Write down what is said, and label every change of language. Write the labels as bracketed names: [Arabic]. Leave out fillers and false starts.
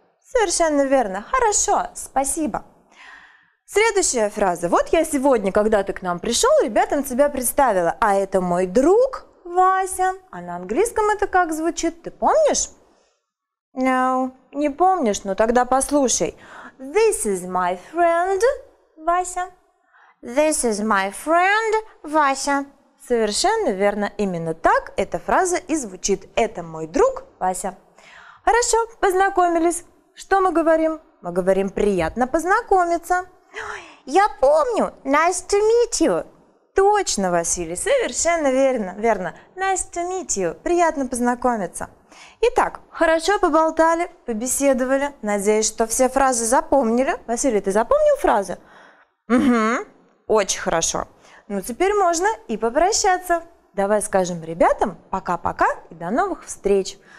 [Russian] Совершенно верно. Хорошо, спасибо. Следующая фраза. Вот я сегодня, когда ты к нам пришел, ребятам тебя представила. А это мой друг Вася. А на английском это как звучит? Ты помнишь? [English] No. [Russian] Не помнишь, но тогда послушай. [English] This is my friend... Вася. This is my friend, Вася. [Russian] Совершенно верно. Именно так эта фраза и звучит. Это мой друг, Вася. Хорошо, познакомились. Что мы говорим? Мы говорим, приятно познакомиться. Я помню. [English] Nice to meet you. [Russian] Точно, Василий, совершенно верно. Верно. [English] Nice to meet you. [Russian] Приятно познакомиться. Итак, хорошо поболтали, побеседовали. Надеюсь, что все фразы запомнили. Василий, ты запомнил фразы? Угу. Очень хорошо. Ну, теперь можно и попрощаться. Давай скажем ребятам пока-пока и до новых встреч.